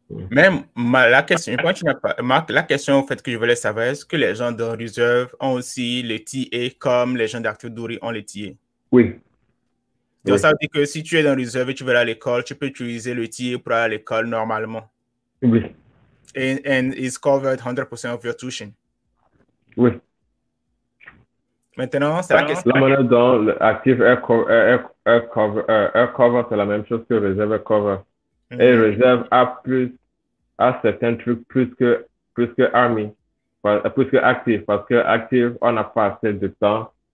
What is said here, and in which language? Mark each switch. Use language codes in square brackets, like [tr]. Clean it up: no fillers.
[fr] Même la question, la question en fait que je voulais savoir, est-ce que les gens de réserve ont aussi le TIE comme les gens d'Arthur Dury ont le TIE? Oui. Donc, Oui. ça veut dire que si tu es dans réserve et tu veux aller à l'école, tu peux utiliser le TIE pour aller à l'école normalement. Oui. [en] And it's covered 100% of your tuition. [fr] Oui. Maintenant, c'est la La question. monnaie dans l'actif Aircover, c'est la même chose que Reserve Aircover. Et Reserve a plus, a certains trucs plus que Army. Plus que actif, parce que actif, on n'a pas assez de temps.